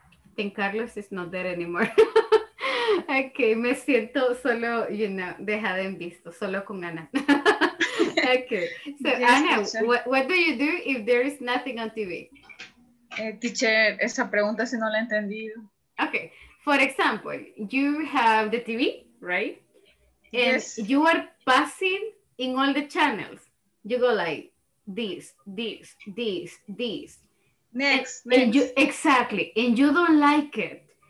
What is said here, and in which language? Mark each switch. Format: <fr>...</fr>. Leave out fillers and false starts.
<en>I think Carlos is not there anymore. Okay,</en> <es>me siento solo,</es> <en>you know,</en> <es>dejada en visto, solo con Ana.</es> <en>Okay, so yes, Ana, what do you do if there is nothing on TV?</en> <es>Teacher, esa pregunta si no la he entendido.</es> <en>Okay, for example, you have the TV, right? Yes. And you are passing in all the channels. You go like this, this, this, this. Next. And you, exactly. And you don't like it.</en>